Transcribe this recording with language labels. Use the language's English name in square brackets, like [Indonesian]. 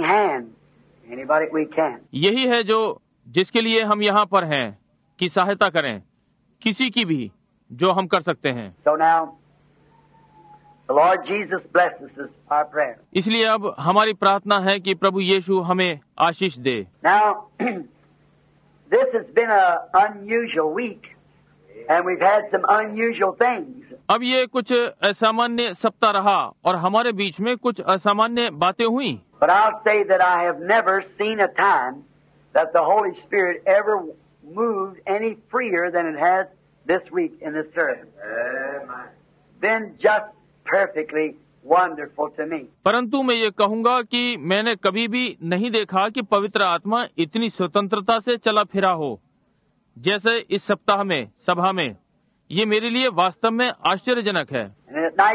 [Hindi] यही है जो जिसके लिए हम यहाँ पर हैं कि सहायता करें किसी की भी जो हम कर सकते हैं। [English] So now, the Lord Jesus blesses us, our prayer. [Hindi] इसलिए अब हमारी प्रार्थना है कि प्रभु यीशु हमें आशीष दे। [English] Now, this has been an unusual week. And we've had some unusual things. [Hindi] अब ये कुछ असामान्य सप्ताह रहा और हमारे बीच में कुछ असामान्य बातें हुई। [English] But I'll say that I have never seen a time that the Holy Spirit ever moved any freer than it has this week in this service. Been just perfectly wonderful to me. [Hindi] परंतु मैं ये कहूँगा कि मैंने कभी भी नहीं देखा कि पवित्र आत्मा इतनी स्वतंत्रता से चला फिरा हो जैसे इस सप्ताह में सभा में। ये मेरे लिए वास्तव में आश्चर्यजनक है।